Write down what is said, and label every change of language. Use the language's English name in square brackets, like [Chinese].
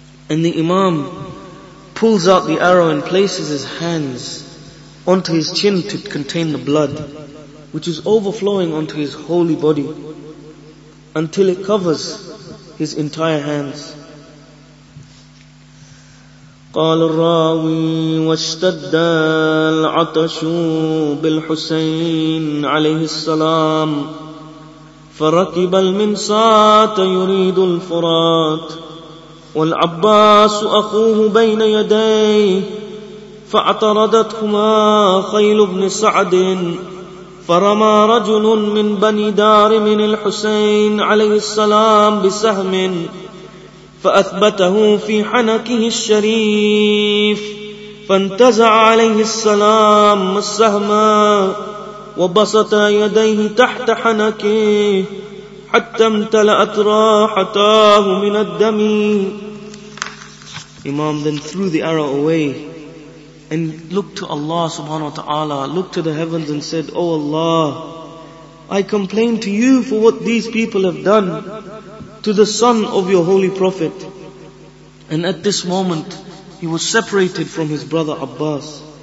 [English] And the Imam pulls out the arrow and places his hands onto his chin to contain the blood, which is overflowing onto his holy body until it covers his entire hands. [Arabic] قال الراوي واشتد العطش بالحسين عليه السلام فركب المنصات يريد الفرات والعباس أخوه بين يديه فاعترضتهما خيل بن سعد فرمى رجل من بني دار من الحسين عليه السلام بسهم فأثبته في حنكه الشريف فانتزع عليه السلام السهم وبسط يديه تحت حنكه حتى امتلأت راحتاه من الدم. [English] Imam then threw the arrow away and looked to Allah subhanahu wa ta'ala, looked to the heavens and said, O Allah, I complain to you for what these people have done to the son of your holy prophet. And at this moment, he was separated from his brother Abbas.